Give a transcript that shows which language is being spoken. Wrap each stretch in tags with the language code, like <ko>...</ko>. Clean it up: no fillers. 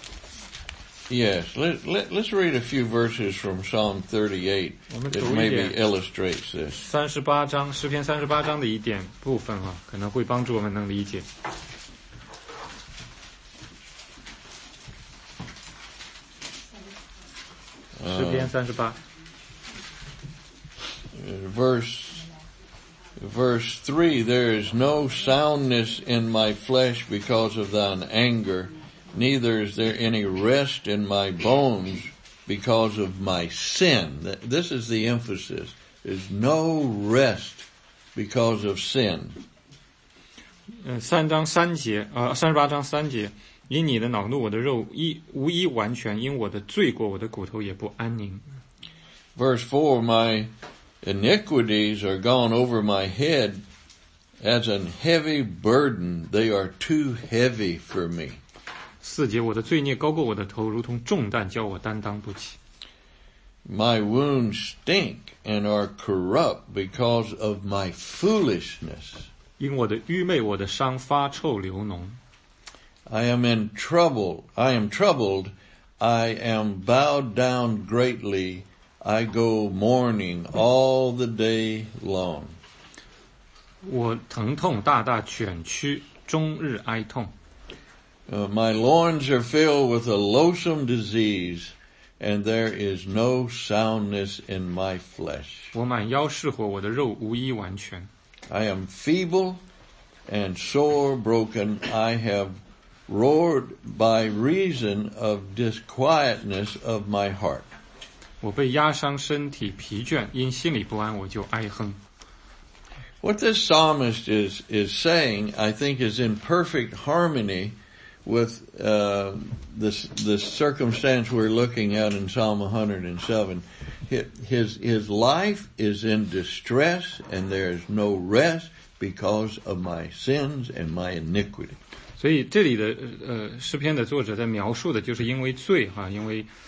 <en>38? Yes, let's read a few verses from Psalm 38 that maybe illustrates this.</en> <zh>38章,诗篇38章的一点部分啊,可能会帮助我们能理解。诗篇三十八。</zh> <en>Verse 3, there is no soundness in my flesh because of thine anger, neither is there any rest in my bones because of my sin. This is the emphasis. There's no rest because of sin.</en> <zh>38章3节，因你的恼怒，我的肉无一完全，因我的罪过，我的骨头也不安宁。</zh> <en>Verse 4, my iniquities are gone over my head as an heavy burden. They are too heavy for me.</en> <zh>四节，我的罪孽高过我的头，如同重担，叫我担当不起。</zh> <en>My wounds stink and are corrupt because of my foolishness.</en> <zh>因我的愚昧，我的伤发臭流脓。</zh> <en>I am in trouble. I am troubled. I am bowed down greatly. I go mourning all the day long.</en> <zh>我疼痛大大卷曲，终日哀痛。</zh> <en>My loins are filled with a loathsome disease, and there is no soundness in my flesh.</en> <zh>我满腰是火，我的肉无一完全。</zh> <en>I am feeble and sore broken. I have roared by reason of disquietness of my heart.</en> <zh>我被压伤身体疲倦，因心里不安，我就哀哼。</zh> <en>What this psalmist is saying, I think, is in perfect harmony with the circumstance we're looking at in Psalm 107. His life is in distress, and there is no rest because of my sins and my iniquity.</en> <zh>所以这里的诗篇的作者在描述的就是因为罪哈，因为。</zh>